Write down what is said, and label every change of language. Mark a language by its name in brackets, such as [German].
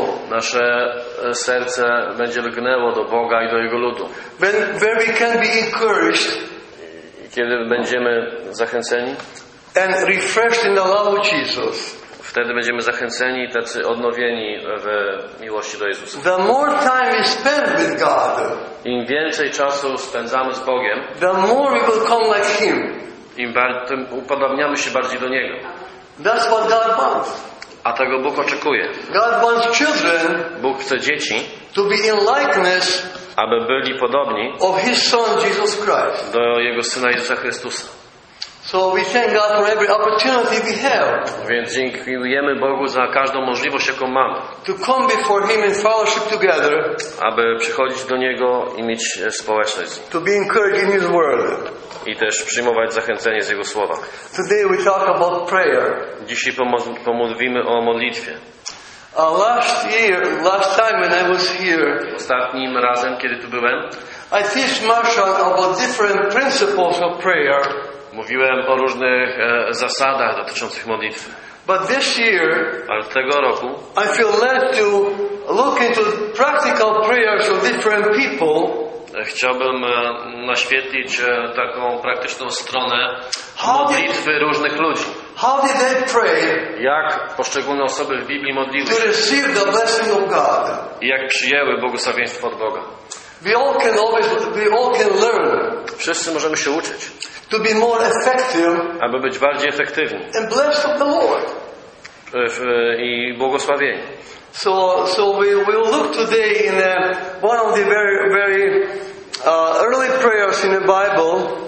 [Polish] Nasze serce będzie lgnęło do Boga i do Jego ludu. [English] When we can be encouraged, [Polish] kiedy będziemy zachęceni, [English] and refreshed in the love of Jesus. [Polish] Wtedy będziemy zachęceni, tacy odnowieni w miłości do Jezusa. [English] The more time we spend with God, [Polish] im więcej czasu spędzamy z Bogiem, [English] the more we will come like Him. [Polish] Im bardziej upodobniamy się bardziej do Niego. [English] That's what God wants. [Polish] A tego Bóg oczekuje. [English] God wants children. [Polish] Bóg chce dzieci. [English] To be in likeness. [Polish] Aby byli podobni. [English] Of His Son Jesus Christ. [Polish] Do Jego Syna Jezusa Chrystusa. [English] So we thank God for every opportunity we have. [Polish] Więc dziękujemy Bogu za każdą możliwość, jaką mamy. [English] To come before Him in fellowship together. [Polish] Aby przychodzić do Niego i mieć społeczność. [English] To be encouraged in His word. [Polish] I też przyjmować zachęcenie z Jego słowa. [English] Today we talk about prayer. [Polish] Dzisiaj pomówimy o modlitwie. [English] Last time when I was here. [Polish] Ostatnim razem, kiedy tu byłem. [English] I teach Marshall about different principles of prayer. [Polish] Mówiłem o różnych zasadach dotyczących modlitwy. [English] But this year, [Polish] ale tego roku, [English] I feel led to look into practical prayers of different people. [Polish] Chciałbym naświetlić taką praktyczną stronę modlitwy różnych ludzi. [English] How did they pray? [Polish] Jak poszczególne osoby w Biblii modliły się? [English] To receive the blessing of God. [Polish] I jak przyjęły błogosławieństwo od Boga? [English] We all can learn. [Polish] Wszyscy możemy się uczyć. [English] To be more effective. [Polish] Aby być bardziej efektywni. [English] And blessed of the Lord. [Polish] I błogosławieni. [English] So we will look today in one of the very very early prayers in the Bible.